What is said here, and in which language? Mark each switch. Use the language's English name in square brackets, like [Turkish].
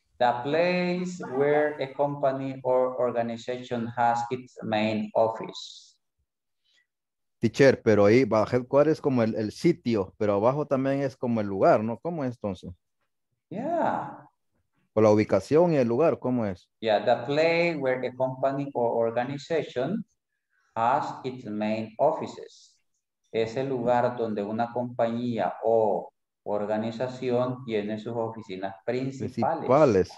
[English] The place where a company or organization has its main office. [Spanish] Teacher, pero ahí va headquarters es como el sitio, pero abajo también es como el lugar, ¿no? ¿Cómo es entonces? [English] Yeah. [Spanish] O la ubicación y el lugar, ¿cómo es? [English] Yeah, the place where a company or organization has its main offices. [Spanish] Es el lugar donde una compañía o organización tiene sus oficinas principales.